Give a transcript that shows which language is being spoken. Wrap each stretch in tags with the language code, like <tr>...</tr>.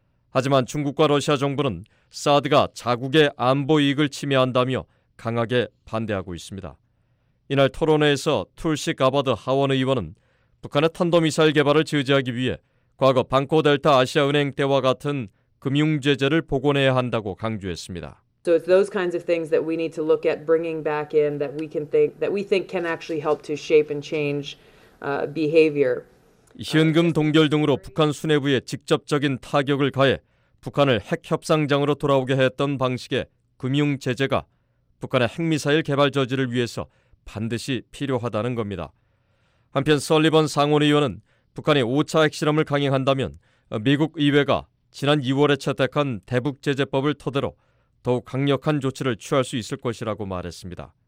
<ko>하지만 중국과 러시아 정부는 사드가 자국의 안보 이익을 침해한다며 강하게 반대하고 있습니다. 이날 토론회에서 툴시 가바드 하원 의원은 북한의 탄도미사일 개발을 저지하기 위해 과거 방코델타 아시아은행 때와 같은 금융제재를 복원해야 한다고 강조했습니다.</ko> <en>So it's those kinds of things that we need to look at bringing back in that we can think that we think can actually help to shape and change behavior.</en> <ko>현금 동결 등으로 북한 수뇌부에 직접적인 타격을 가해 북한을 핵 협상장으로 돌아오게 했던 방식의 금융 제재가 북한의 핵 미사일 개발 저지를 위해서 반드시 필요하다는 겁니다. 한편 설리번 상원 의원은 북한이 5차 핵실험을 강행한다면 미국 의회가 지난 2월에 채택한 대북 제재법을 토대로 더욱 강력한 조치를 취할 수 있을 것이라고 말했습니다.</ko>